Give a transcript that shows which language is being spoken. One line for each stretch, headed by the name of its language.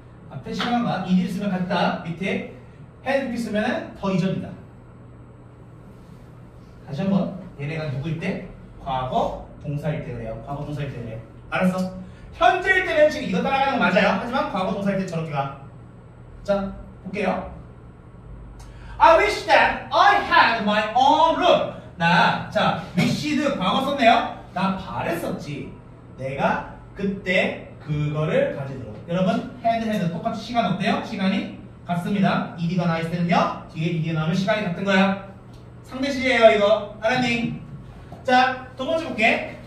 Korean: 앞에 시간과 ed를 쓰면 같다. 밑에
English: had pp
Korean: 쓰면은 더 이전이다. 다시 한번, 얘네가 누구일 때? 과거 동사일 때래요. 과거 동사일 때래. 알았어. 현재일 때는 지금 이거 따라가는 거 맞아요. 하지만 과거 동사일 때 저렇게 가. 자, 볼게요.
English: I wish that I had my own room.
Korean: 나, 자, wished 과거 썼네요. 나 바랬었지. 내가 그때 그거를 가지도록. 여러분, had 똑같이 시간 어때요? 시간이 같습니다. ed가 나 있을 때는요, 뒤에 ed가 나오면 시간이 같은 거야. 상대시제예요 이거. 알았니? 자, 두 번째 볼게.